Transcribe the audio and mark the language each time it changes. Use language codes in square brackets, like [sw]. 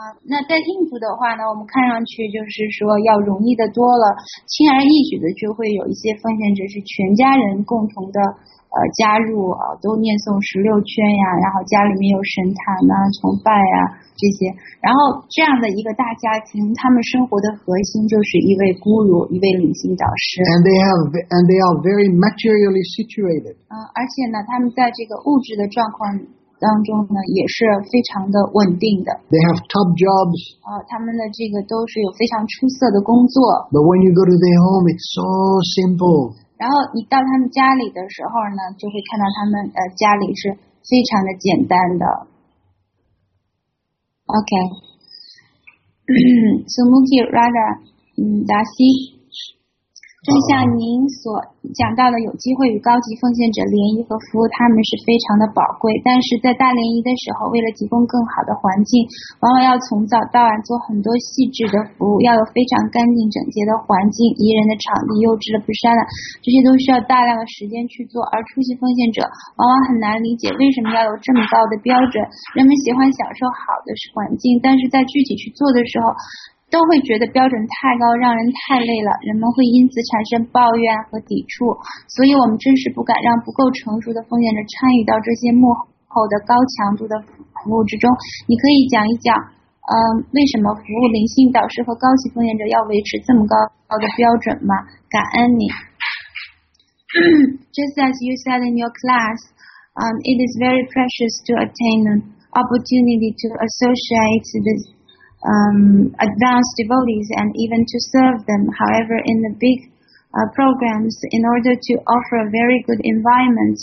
[zh] 那在印度的话呢，我们看上去就是说要容易的多了，轻而易举的就会有一些奉献者是全家人共同的加入都念诵十六圈呀，然后家里面有神坛呐、崇拜呀这些，然后这样的一个大家庭，他们生活的核心就是一位孤儒，一位领心导师。 [en] And they are very materially situated. [zh] 而且呢，他们在这个物质的状况。当中呢也是非常的稳定的。 [en] They have top jobs. [zh] 他们的这个都是有非常出色的工作。 [en] But when you go to their home, it's so simple. [zh] 然后你到他们家里的时候呢，就会看到他们家里是非常的简单的。 [en] Okay. So Mukhi Radha, Dasi. [zh] 正像您所讲到的，有机会与高级奉献者联谊和服务，他们是非常的宝贵。但是在大联谊的时候，为了提供更好的环境，往往要从早到晚做很多细致的服务，要有非常干净整洁的环境、宜人的场地、优质的布施栏，这些都需要大量的时间去做。而初级奉献者往往很难理解为什么要有这么高的标准。人们喜欢享受好的环境，但是在具体去做的时候，都会觉得标准太高，让人太累了，人们会因此产生抱怨和抵触，所以我们真是不敢让不够成熟的奉献者参与到这些幕后的高强度的服务之中。你可以讲一讲，为什么服务灵性导师和高级奉献者要维持这么高的标准吗？感恩你。 [en] Just as you said in your class, it is very precious to attain an opportunity to associate this. Advanced devotees and even to serve them. However, in the big programs in order to offer a very good environment.